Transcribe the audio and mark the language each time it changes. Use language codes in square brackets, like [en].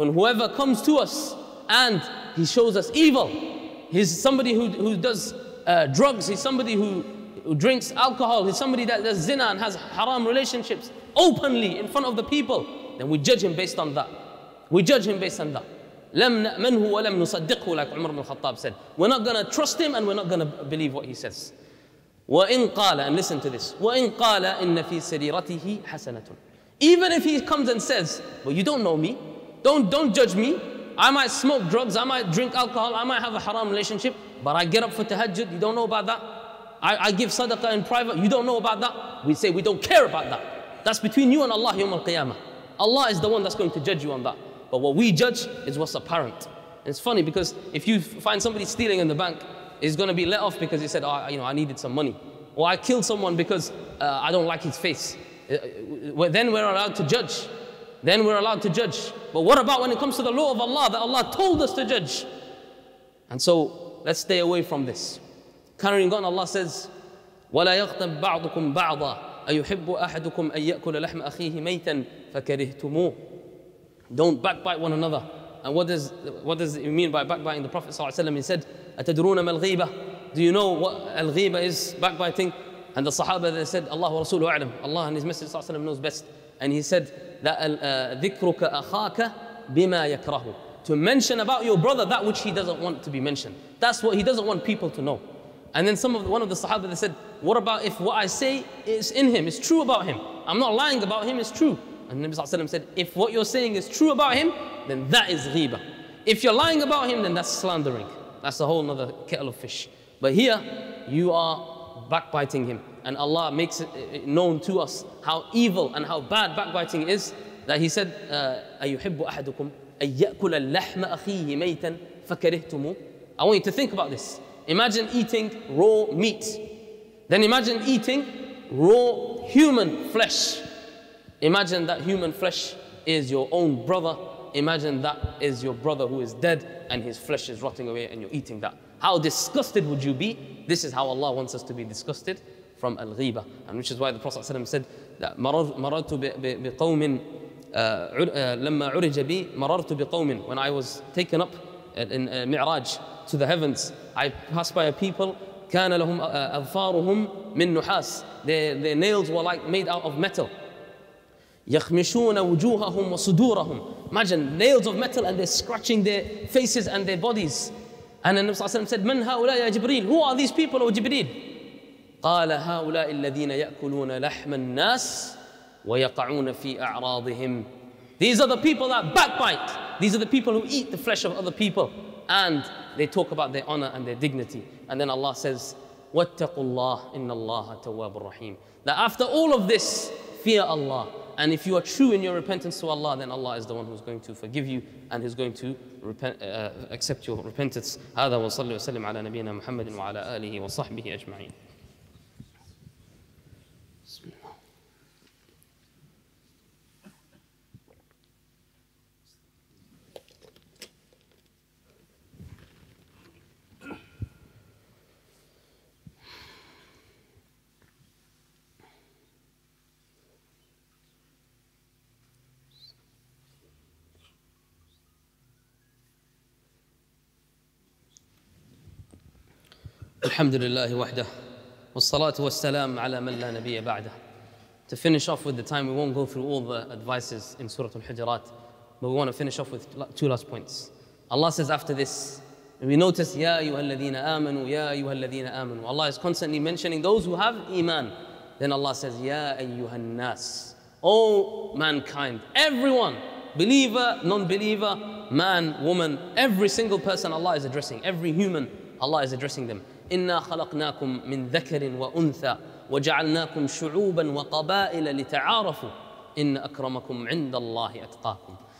[en] And whoever comes to us and he shows us evil, he's somebody who does drugs, he's somebody who drinks alcohol, he's somebody that does zina and has haram relationships openly in front of the people, then we judge him based on that. We judge him based on that. [ar] لَمْ نَأْمَنْهُ وَلَمْ نُصَدِّقْهُ, [en] like Umar ibn al-Khattab said. We're not going to trust him and we're not going to believe what he says. [ar] وَإِنْ قَالَ, [en] and listen to this, [ar] وَإِنْ قَالَ إِنَّ فِي سَرِيرَتِهِ حَسَنَةٌ. [en] Even if he comes and says, well, you don't know me, don't judge me, I might smoke drugs, I might drink alcohol, I might have a haram relationship, but I get up for tahajjud, you don't know about that, I give sadaqah in private, you don't know about that, we say we don't care about that. That's between you and Allah yawm al-qiyamah. Allah is the one that's going to judge you on that. But what we judge is what's apparent. It's funny because if you find somebody stealing in the bank, is going to be let off because he said, oh, you know, I needed some money. Or I killed someone because I don't like his face. Then we're allowed to judge. Then we're allowed to judge. But what about when it comes to the law of Allah that Allah told us to judge? And so let's stay away from this. Carrying on, Allah says, [ar] وَلَا يَغْتَبْ بَعْضُكُمْ بَعْضًا أَيُحِبُّ أَحَدُكُمْ أَن يَأْكُلَ لَحْمَ أَخِيهِ مَيْتًا فَكَرِهْتُمُوهُ. [en] Don't backbite one another. And what does it mean by backbiting? The Prophet ﷺ, he said, [ar] أَتَدْرُونَ مَا الْغِيبَةِ. [en] Do you know what al-ghiba is, backbiting? And the Sahaba, they said, [ar] Allah wa Rasuluhu A'lam. [en] Allah and his Messenger ﷺ knows best. And he said, [ar] ذِكْرُكَ أَخَاكَ بِمَا يَكْرَهُ. [en] To mention about your brother that which he doesn't want to be mentioned. That's what he doesn't want people to know. And then one of the Sahaba, they said, what about if what I say is in him, it's true about him? I'm not lying about him, it's true. And Nabi ﷺ said, if what you're saying is true about him, then that is ghiba. If you're lying about him, then that's slandering. That's a whole other kettle of fish. But here, you are backbiting him. And Allah makes it known to us how evil and how bad backbiting is. That he said, [ar] أَيُحِبُّ أَحَدُكُمْ أَن يَأْكُلَ اللَّحْمَ أَخِيهِ مَيْتًا فَكَرِهْتُمُ. [en] I want you to think about this. Imagine eating raw meat. Then imagine eating raw human flesh. Imagine that human flesh is your own brother. Imagine that is your brother who is dead and his flesh is rotting away and you're eating that. How disgusted would you be? This is how Allah wants us to be disgusted from al-ghiba. And which is why the Prophet ﷺ said, [ar] مررت بقوم لما عرج بي مررت بقوم. [en] When I was taken up in Mi'raj to the heavens, I passed by a people, [ar] كان لهم أظفارهم من نحاس. [en] Their nails were like made out of metal. [ar] يخمشون وجوههم وصدورهم. [en] Imagine nails of metal and they're scratching their faces and their bodies. And the Prophet ﷺ said, [ar] من هؤلاء يا جبريل? [en] Who are these people, O Jibreel? [ar] قال هؤلاء الذين يأكلون لحم الناس ويقعون في أعراضهم. [en] These are the people that backbite. These are the people who eat the flesh of other people. And they talk about their honor and their dignity. And then Allah says, [ar] واتقوا الله إن الله تواب الرحيم. [en] That after all of this, fear Allah. And if you are true in your repentance to Allah, then Allah is the one who's going to forgive you and is going to accept your repentance. [ar] هذا وصلى وسلم على نبينا محمد وعلى آله وصحبه أجمعين. الحمد لله وحده والصلاة والسلام على من لا نبي بعده. [en] To finish off with the time, we won't go through all the advices in Surah Al-Hujurat, but we want to finish off with two last points. Allah says after this, we notice, [ar] يَا أَيُّهَا الَّذِينَ آمَنُوا يَا أَيُّهَا الَّذِينَ آمَنُوا. [en] Allah is constantly mentioning those who have iman. Then Allah says, [ar] يَا أَيُّهَا النَّاسِ. [en] All mankind, everyone, believer, non-believer, man, woman, every single person Allah is addressing, every human Allah is addressing them. [ar] إنا خلقناكم من ذكر وأنثى وجعلناكم شعوبا وقبائل لتعارفوا إن أكرمكم عند الله أتقاكم.